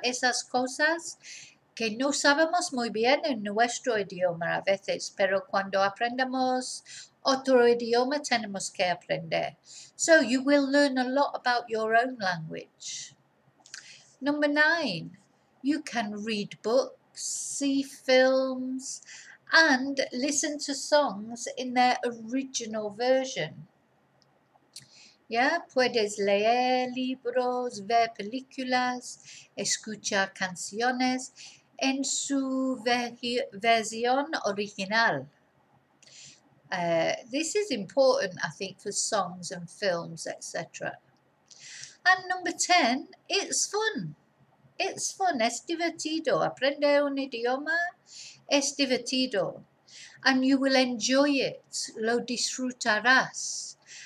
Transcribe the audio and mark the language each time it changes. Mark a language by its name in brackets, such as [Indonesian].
[Spanish] Esas cosas que no sabemos muy bien en nuestro idioma a veces, pero cuando aprendemos otro idioma tenemos que aprender. [English] So you will learn a lot about your own language. Number nine, you can read books, see films, and listen to songs in their original version. [Spanish] Yeah, puedes leer libros, ver películas, escuchar canciones en su versión original. [English] This is important, I think, for songs and films, etc. And number 10, it's fun. It's fun, [Spanish] es divertido. Aprender un idioma es divertido. [English] And you will enjoy it, [Spanish] lo disfrutarás.